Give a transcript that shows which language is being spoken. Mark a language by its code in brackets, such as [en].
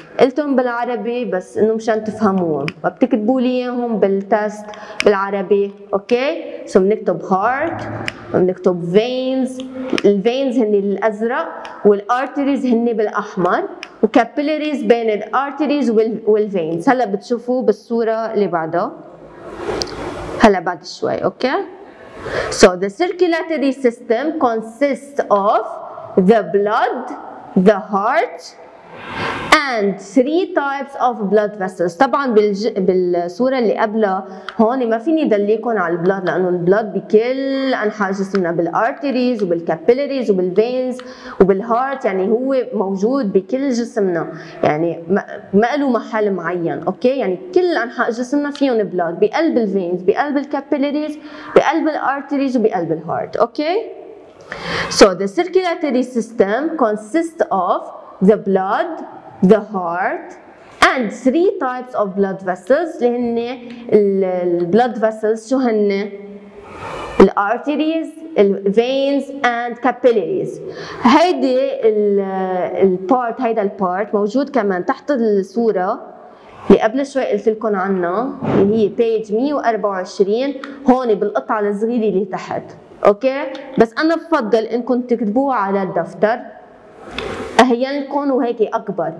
[ar] قلتهم بالعربي بس انه مشان تفهموهم، فبتكتبوا لي اياهم بالتست بالعربي. اوكي سو بنكتب هارت وبنكتب فينز. الفينز هن الازرق والارتريز هن بالاحمر وكابيلريز بين الارتريز والفينز. هلا بتشوفوا بالصوره اللي بعدها هلا بعد شوي. [en] Okay So the circulatory system consists of the blood, the heart, and three types of blood vessels. [ar] طبعا بالصورة اللي قبلها هون ما فيني دليكم على البلد لأنه البلد بكل أنحاء جسمنا بالارتريز وبالكابيلريز وبالفينز وبالهارت، يعني هو موجود بكل جسمنا، يعني ما له محل معين. اوكي يعني كل أنحاء جسمنا فيهم بلد، بقلب الفينز بقلب الكابيلريز بقلب الارتريز وبقلب الهارت. [en] Okay So the circulatory system consists of the blood, the heart, and three types of blood vessels. [ar] اللي هن [en] blood vessels [ar] شو هن؟ [en] arteries, veins, and capillaries. [ar] هيدي ال part هيدا ال part موجود كمان تحت الصورة اللي قبل شوي قلت لكم عنها اللي هي page 124 هون بالقطعة الصغيرة اللي تحت. اوكي بس انا بفضل انكم تكتبوها على الدفتر اهيلكم وهيك اكبر.